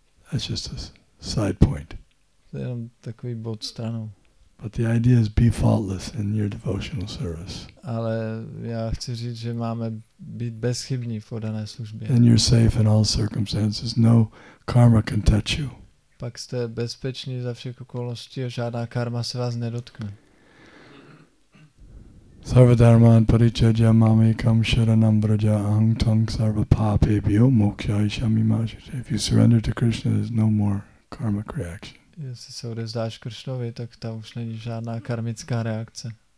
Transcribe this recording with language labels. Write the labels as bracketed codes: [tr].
[en] That's just a side point. [cs] To je jenom takový bod stranou. [en] But the idea is be faultless in your devotional service. [cs] Ale já chci říct, že máme být bezchybní v dané službě. [en] And you're safe in all circumstances. No karma can touch you. [cs] Pak jste bezpeční za všech okolností a žádná karma se vás nedotkne. [sa] Sarva dharma paricchaya mami kam sharanam braja ang tang sarva papebhyo mokshaya shami majate. [en] If you surrender to Krishna, there's no more karmic reaction. [cs] Jestli se odevzdáš Krishnovi, tak tam už není žádná karmická reakce.